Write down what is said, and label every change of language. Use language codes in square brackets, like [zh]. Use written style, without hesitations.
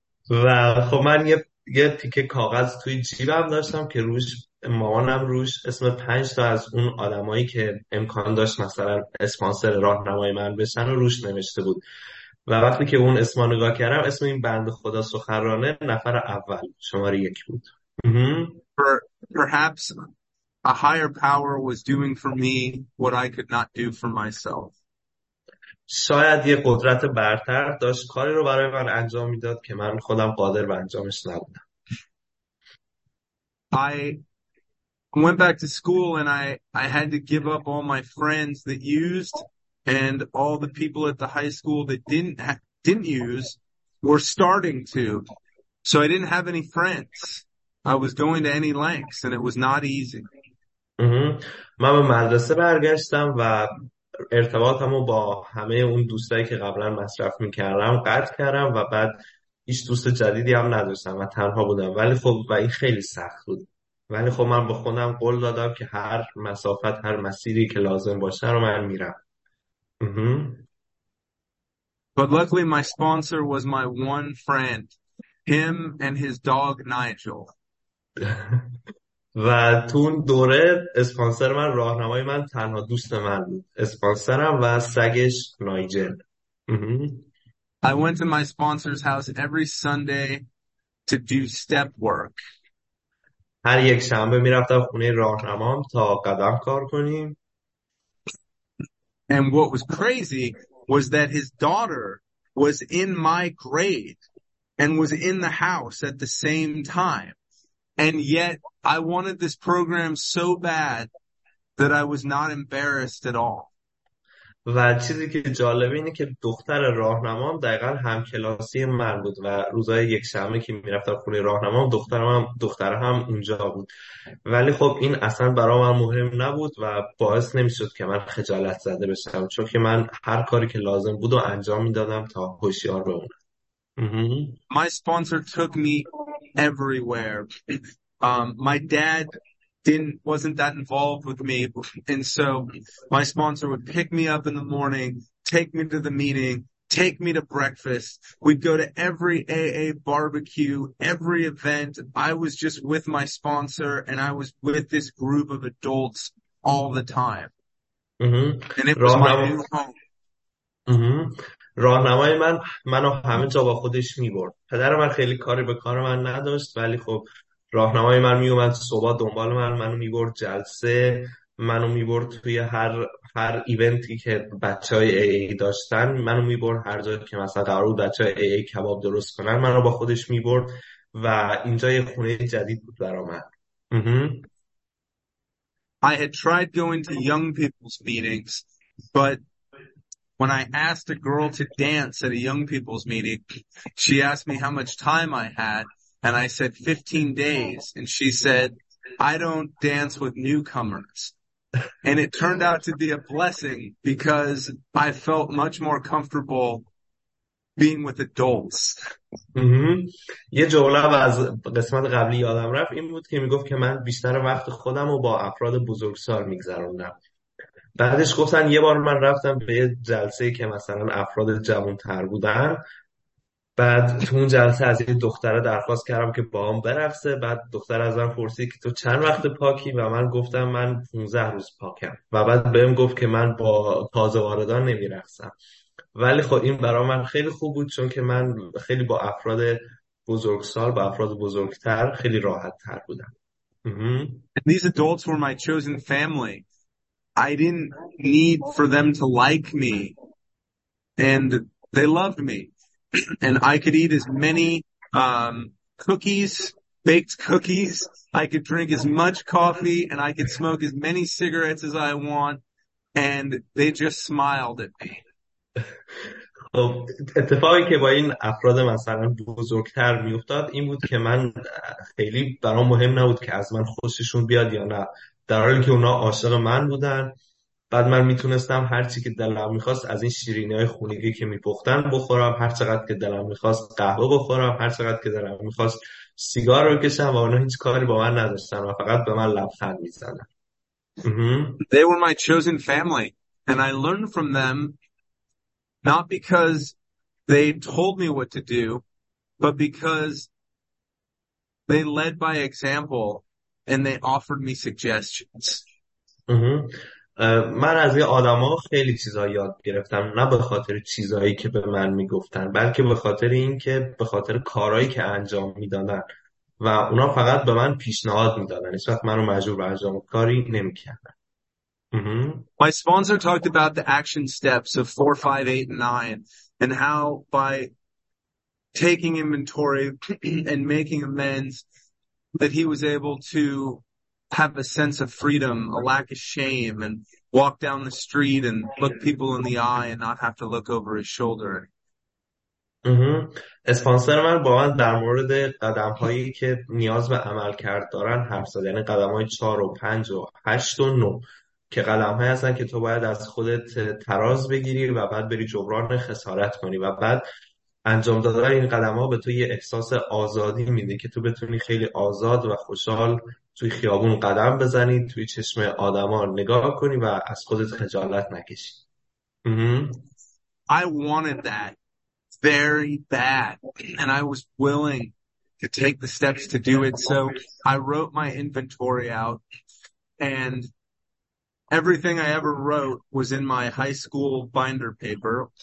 [fa] و خب من یه تیکه کاغذ توی جیبم داشتم که روش مامانم روش اسم 5 تا از اون آدمایی که امکان داشت مثلا اسپانسر راهنمای من بشن و روش نوشته بود، و وقتی که اون اسم نگاه کردم، اسم این بند خدا سخنرانه نفر اول شماره 1 بود. [en] Perhaps a higher power was doing for me what I could not do for myself. [fa] شاید یه قدرت برتر داشت کاری رو برای من انجام میداد که من خودم قادر به انجامش نبودم. [en] I went back to school and I had to give up all my friends that used and all the people at the high school that didn't use were starting to. So I didn't have any friends. I was going to any lengths and it was not easy. [fa] من به مدرسه برگشتم و ارتباطمو با همه اون دوستایی که قبلا مصرف میکردم قطع کردم و بعد هیچ دوست جدیدی هم نداشتم و تنها بودم، ولی خب و این خیلی سخت بود، ولی خب من به خودم قول دادم که هر مسافت هر مسیری که لازم باشه رو من میرم. [en] But luckily my sponsor was my one friend, him and his dog Nigel. [fa] و تو اون دوره اسپانسر من، راهنمای من، تنها دوست من بود، اسپانسرم و سگش نایجل. [en] I went to my sponsor's house every Sunday to do step work. [fa] هر یک شنبه می رفتم خونه راهنمام تا قدم کار کنیم. [en] And what was crazy was that his daughter was in my grade and was in the house at the same time. And yet, I wanted this program so bad that I was not embarrassed at all. [fa] و چیزی که جالب اینه که دختر راهنمام دقیقا همکلاسی من بود و روزای یک شنبه که میرفتم خونه راهنمام دختر هم اونجا بود، ولی خب این اصلا برای من مهم نبود و باعث نمیشد که من خجالت زده بشم، چون که من هر کاری که لازم بود و انجام میدادم تا هوشیار بمونم. [en] My sponsor took me everywhere. My dad wasn't that involved with me, and so my sponsor would pick me up in the morning, take me to the meeting, take me to breakfast. We'd go to every AA barbecue, every event. I was just with my sponsor, and I was with this group of adults all the time. And it was my new home. [fa] راهنمای من منو همه جا با خودش می برد. پدر من خیلی کاری به کار من نداشت، ولی خب راهنمای من می اومد صبح دنبال من، منو می برد جلسه، منو می برد توی هر ایونتی که بچه های ای ای داشتن، منو می برد هر جا که مثلا قرار بود بچه های ای ای کباب درست کنن، منو با خودش می برد و اینجا یه خونه جدید بود برا من. [en] I had tried going to young people's meetings, but when I asked a girl to dance at a young people's meeting, she asked me how much time I had, and I said 15 days, and she said, I don't dance with newcomers. And it turned out to be a blessing, because I felt much more comfortable being with adults. [fa] یه جمله از قسمت قبلی یادم رفت، این بود که میگفت که من بیشتر وقت خودم رو با افراد بزرگسال میگذروندم. بعدش گفتن یه بار من رفتم به یه جلسه که مثلا افراد جوان تر بودن، بعد تو اون جلسه از یه دختره درخواست کردم که با هم برقصه، بعد دختر ازم پرسید که تو چند وقت پاکی، و من گفتم من 15 روز پاکم، و بعد بهم گفت که من با تازه واردان نمیرقصم. ولی خب این برای من خیلی خوب بود، چون که من خیلی با افراد بزرگسال، با افراد بزرگتر خیلی راحت تر بودم. [en] These adults were my chosen family. I didn't need for them to like me, and they loved me. And I could eat as many cookies, baked cookies, I could drink as much coffee, and I could smoke as many cigarettes as I want, and they just smiled at me. [fa] اتفاقی که با این افراد مثلا بزرگتر میافتاد این بود که من خیلی برام مهم نبود که از من خوششون بیاد یا نه، در حالی که اونا عاشق من بودن. بعد من میتونستم هر چی که دلم میخواست از این شیرینی های خونگی که میپختن بخورم، هر چقدر که دلم میخواست قهوه بخورم، هر چقدر که دلم میخواست سیگار رو بکشم، و اونا هیچ کاری با من نداشتن و فقط به من لبخند میزدن. [en] They were my chosen family, and I learned from them not because they told me what to do, but because they led by example and they offered me suggestions. [fa] من از این آدم ها خیلی چیزا یاد گرفتم، نه به خاطر چیزایی که به من میگفتن، بلکه به خاطر این که به خاطر کارهایی که انجام میدادن، و اونا فقط به من پیشنهاد میدادن، هیچ وقت منو مجبور به انجام کاری نمیکردن. [en] My sponsor talked about the action steps of 4, 5, 8, and 9 and how by taking inventory and making amends that he was able to have a sense of freedom, a lack of shame, and walk down the street and look people in the eye and not have to look over his shoulder. [fa] اسپانسر من با من در مورد قدم هایی که نیاز به عمل کرد دارن حرف زد، یعنی قدم های 4 و 5 و 8 و 9 که قدم هایی هستن که تو باید از خودت تراز بگیری و بعد بری جبران خسارت کنی، و بعد انجام دادن این قدم ها به تو یه احساس آزادی میده که تو بتونی خیلی آزاد و خوشحال توی خیابون قدم بزنی، توی چشم آدما نگاه کنی و از خودت خجالت نکشی. [en] I wanted that very bad, and I was willing to take the steps to do it. So I wrote my inventory out, and everything I ever wrote was in my high school binder paper.